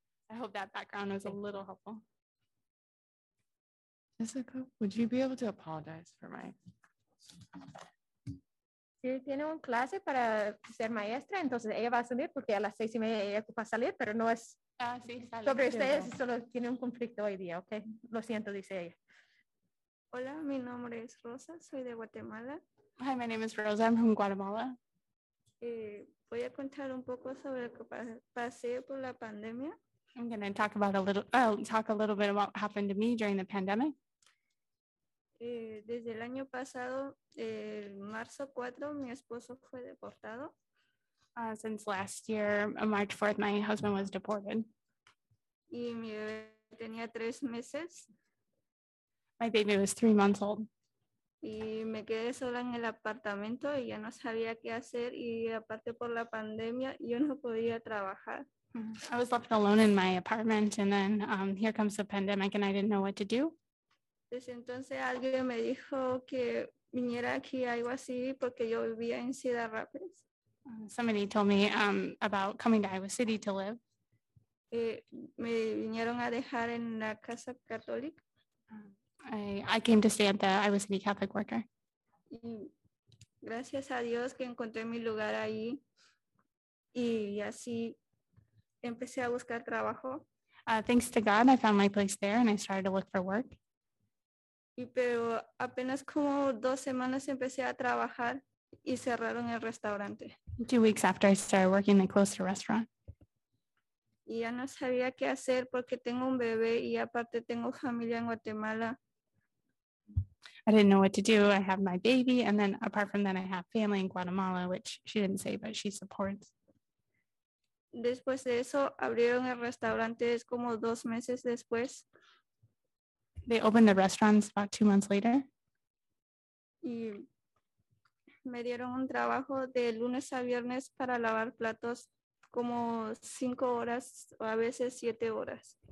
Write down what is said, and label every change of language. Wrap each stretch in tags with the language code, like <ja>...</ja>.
<en>I hope that background was a little helpful. Jessica, would you be able to apologize for my...</en> <es>Sí, tiene un clase para ser maestra, entonces ella va a salir porque a las 6:30 ella ocupa salir, pero no es sí, sale, sobre ustedes, no. Solo tiene un conflicto hoy día, ¿ok? Lo siento, dice ella. Hola, mi nombre es Rosa, soy de Guatemala.</es> <en>Hi, my name is Rosa, I'm from Guatemala.</en> <es>Voy a contar un poco sobre lo que pasé por la pandemia.</es> <en>I'm going to talk about a little bit about what happened to me during the pandemic.</en> <es>Desde el año pasado, el marzo 4, mi esposo fue deportado.</es> <en>Since last year, on March 4th, my husband was deported.</en> <es>Y mi bebé tenía 3 meses.</es> <en>My baby was 3 months old.</en> <es>Y me quedé sola en el apartamento y ya no sabía qué hacer. Y aparte por la pandemia, yo no podía trabajar.</es> <en>I was left alone in my apartment and then here comes the pandemic and I didn't know what to do.</en> <es>Desde entonces alguien me dijo que viniera aquí algo así porque yo vivía en Cedar Rapids.</es> <en>Somebody told me about coming to Iowa City to live.</en> <es>Me vinieron a dejar en la casa católica.</es> <en>I came to stay at the Iowa City Catholic Worker.</en> <es>Y gracias a Dios que encontré mi lugar ahí y así empecé a buscar trabajo.</es> <en>Thanks to God, I found my place there and I started to look for work.</en> <es>Y pero apenas como 2 semanas empecé a trabajar y cerraron el restaurante.</es> <en>2 weeks after I started working, they closed the restaurant.</en> <es>Y ya no sabía qué hacer porque tengo un bebé y aparte tengo familia en Guatemala.</es> <en>I didn't know what to do. I have my baby and then apart from that, I have family in Guatemala, which she didn't say, but she supports.</en> <es>Después de eso, abrieron el restaurante es como 2 meses después.</es> <en>They opened the restaurants about 2 months later.</en> <es>Y me dieron un trabajo de lunes a viernes para lavar platos como 5 horas o a veces 7 horas.</es>